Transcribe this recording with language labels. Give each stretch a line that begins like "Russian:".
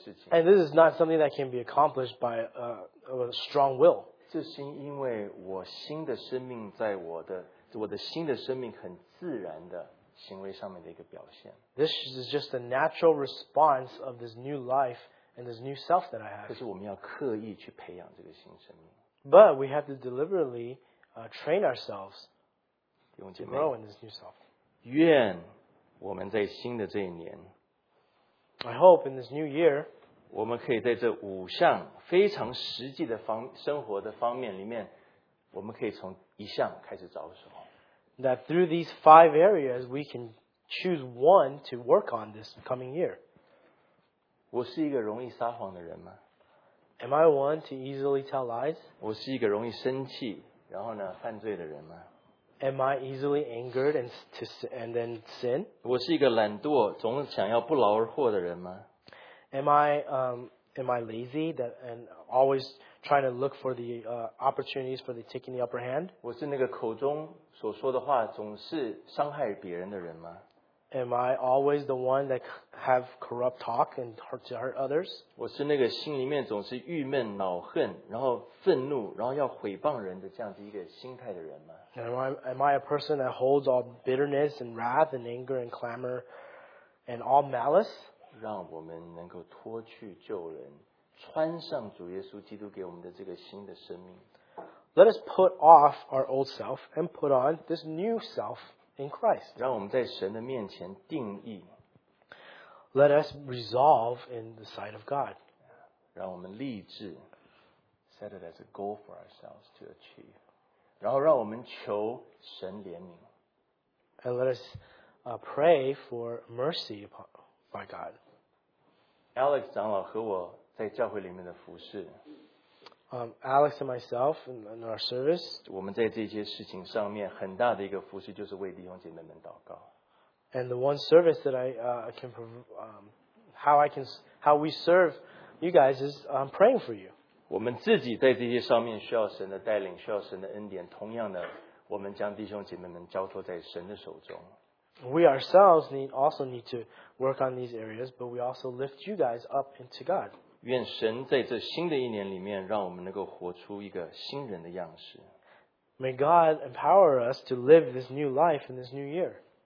English: And this is not something that can be accomplished by a strong will. This is because my new life is in my new life in a natural way.
Chinese: 行为上面的一个表现。
English: This is just a natural response of this new life and this new self that I have.
Chinese: 可是我们要刻意去培养这个新生命。
English: But we have to deliberately train ourselves to grow in this new self.
Chinese: 愿我们在新的这一年。
English: I hope in this new year,
Chinese: 我们可以在这五项非常实际的生活的方面里面，我们可以从一项开始着手。
English: That through these five areas, we can choose one to work on this coming year.
Chinese: 我是一个容易撒谎的人吗？
English: Am I one to easily tell lies?
Chinese: 我是一个容易生气，然后呢，犯罪的人吗？
English: Am I easily angered and then sin?
Chinese: 我是一个懒惰，总想要不劳而获的人吗？
English: Am I lazy that and always trying to look for the opportunities for the taking the upper hand?
Chinese: 我是那个口中所说的话总是伤害别人的人吗？
English: Am I always the one that have corrupt talk and hurt others?
Chinese: 我是那个心里面总是郁闷、恼恨、然后愤怒、然后要毁谤人的这样的一个心态的人吗？
English: Am I a person that holds all bitterness and wrath and anger and clamor and all malice?
Chinese: 让我们能够脱去旧人，穿上主耶稣基督给我们的这个新的生命。
English: Let us put off our old self and put on this new self in Christ.
Chinese: 让我们在神的面前定义。
English: Let us resolve in the sight of God.
Chinese: 让我们立志
English: ，set it as a goal for ourselves to achieve.
Chinese: 然后让我们求神怜悯。
English: And let us pray for mercy by God.
Chinese: Alex 长老和我在教会里面的服事。
English: Alex and myself in our service,
Chinese: 我们在这些事情上面很大的一个服事就是为弟兄姐妹们祷告。
English: And the one service that I can how we serve you guys is praying for you.
Chinese: 我们自己在这些上面需要神的带领，需要神的恩典。同样的，我们将弟兄姐妹们交托在神的手中。
English: We ourselves need to work on these areas, but we also lift you guys up into God.
Chinese: 愿神在这新的一年里面让我们能够活出一个新人的样式。
English: May God empower us to live this new life in this new year.